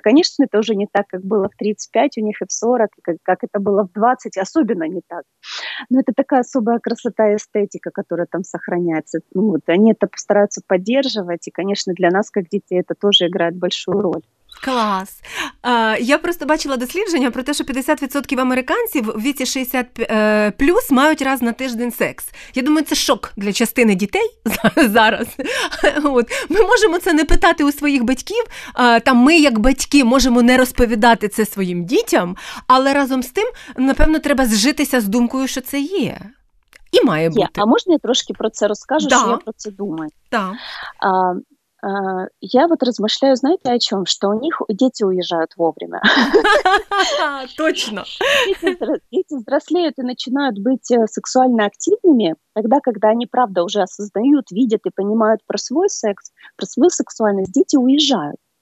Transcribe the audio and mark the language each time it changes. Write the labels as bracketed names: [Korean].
[Russian] Конечно, это уже не так, как было в 35 у них и в 40, как это было в 20, особенно не так. Но это такая особая красота и эстетика, которая там сохраняется. Ну, вот, они это постараются поддерживать, и, конечно, для нас, как детей, это тоже играет большую роль. [Ukrainian] Клас. Я просто бачила дослідження про те, що 50% американців в віці 60+ мають раз на тиждень секс. Я думаю, це шок для частини дітей зараз. От. Ми можемо це не питати у своїх батьків, та ми як батьки можемо не розповідати це своїм дітям, але разом з тим, напевно, треба зжитися з думкою, що це є. І має бути. А можна я трошки про це розкажу, да. Що я про це думаю? Так. Да. [Russian] Я вот размышляю, знаете, о чем? Что у них дети уезжают вовремя. Точно. Дети взрослеют и начинают быть сексуально активными, тогда, когда они, правда, уже осознают, видят и понимают про свой секс, про свою сексуальность, дети уезжают.